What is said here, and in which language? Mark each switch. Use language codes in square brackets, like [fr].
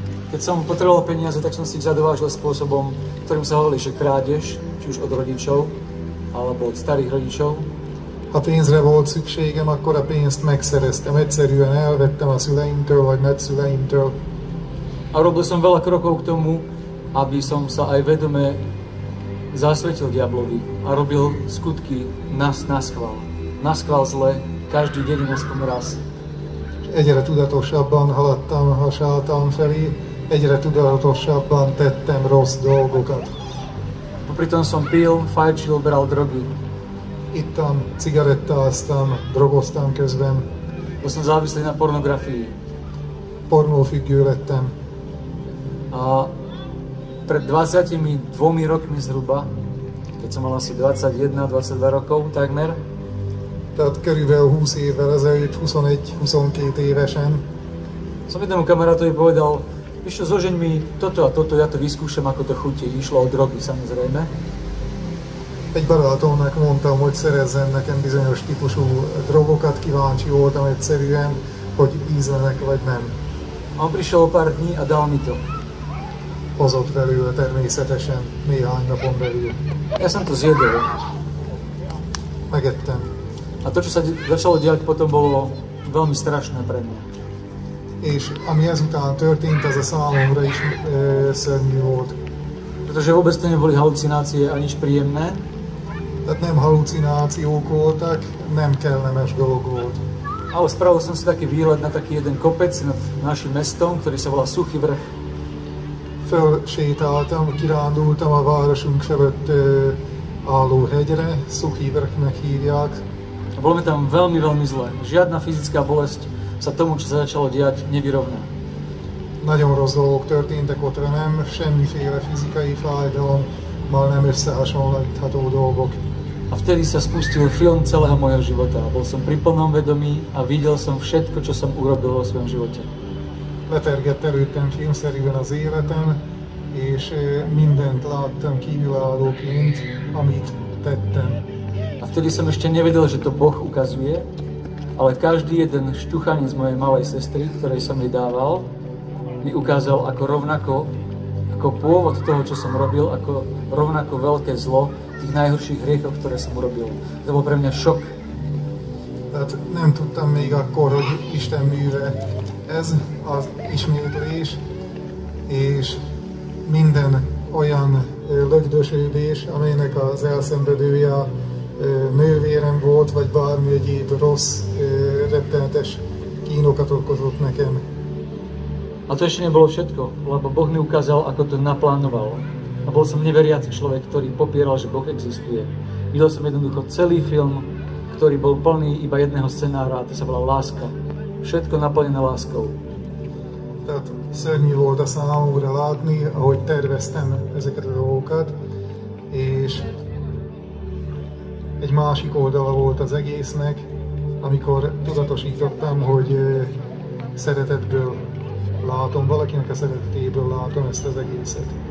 [sk] Keď som potreboval peniaze, tak som si ich zadovážil spôsobom, ktorým sa hovorí, že krádeš, či už od rodičov, alebo od starých rodičov. [hu] Ha pénzre volt szükségem, akkor a pénzt megszereztem. Egyszerűen elvettem a szüleimtől, vagy nagyszüleimtől. [sk] A robil som veľa krokov k tomu, aby som sa aj vedome zasvetil diablovi. A robil skutky naschvál. Naschvál zle, každý deň aspoň raz. [hu] Egyre tudatosabban haladtam a sátán felé, egyre tudatosabban tettem rossz dolgokat. [sk] Popritom som pil, fajčil, bral drogy. [hu] Ittam, cigarettáztam, drogoztam közben. [sk] Som závislý na pornografii. [hu] Pornofüggő lettem. [sk] A pred 22 rokmi zhruba, keď som mal asi 21-22 rokov takmer, [hu] tehát körülbelül 20 évvel ezelőtt, 21-22 évesen. [sk] Som jednému kamarátovi povedal, išlo zožeň mi toto a toto, ja to vyskúšam, ako to chutí. Išlo o drogy, samozrejme. [hu] Egy barátomnak mondtam, hogy szerezzen nekem bizonyos típusú drogokat, kíváncsi voltam egyszerűen, hogy ízlenek vagy nem. [sk] A on prišiel o pár dní a dal mi to. [hu] Hozott belül természetesen, néhány napon belül. [sk] Ja som to zjedol. [hu] Megettem. [sk] A to, čo sa začalo diať potom, bolo veľmi strašné pre mňa. [hu] És ami ezután történt, az a számomra is szörnyű volt. [sk] Pretože vôbec to neboli halucinácie a nič príjemné. [hu] Tehát nem halucinációk voltak, nem kellemes dolog volt. [sk] Ale spravil som si taký výhľad na taký jeden kopec nad našim mestom, ktorý sa volá Suchý vrch. [hu] Felsétáltam, kirándultam a városunk sebött álló hegyre, Suchý vrchnek hívják. [sk] A bolo mi tam veľmi, veľmi zle. Žiadna fyzická bolesť sa tomu, čo sa začalo diať, nevyrovná. [hu] Nagyon rossz dolgok történtek ott velem, semmiféle fizikai fájdalom, mal nem összehasonlítható dolgok. [sk] A vtedy sa spustil film celého mojho života. Bol som pri plnom vedomí a videl som všetko, čo som urobil vo svojom živote. [hu] Letergett előttem filmszerűen az életem, és mindent láttam kívülállóként, amit tettem. [sk] A vtedy som ešte nevedel, že to Boh ukazuje, ale každý jeden šťuchanec mojej malej sestry, ktorej som jej dával, mi ukázal ako rovnako, ako pôvod toho, čo som robil, ako rovnako veľké zlo tých najhorších hriechov, ktoré som urobil. To bol pre mňa šok. [hu] Tehát nem tudtam még akkor, hogy Isten műve ez az ismétlés, és minden olyan lögdösődés, amelynek az elszenvedője nővérem volt, vagy bármi egyéb rossz rettenetes kínokat okozott nekem. [sk] A to ešte nebolo všetko, lebo Boh mi ukázal, ako to naplánoval. A bol som neveriaci človek, ktorý popieral, že Boh existuje. Videl som jednoducho celý film, ktorý bol plný iba jedného scenára, a to sa volá láska. Všetko naplnené láskou. [hu] Tehát szörnyű volt a számomra látni, ahogy terveztem ezeket a dolgokat, és egy másik oldala volt az egésznek, amikor tudatosítottam, hogy szeretetből látom, valakinek a szeretetéből látom ezt az egészet.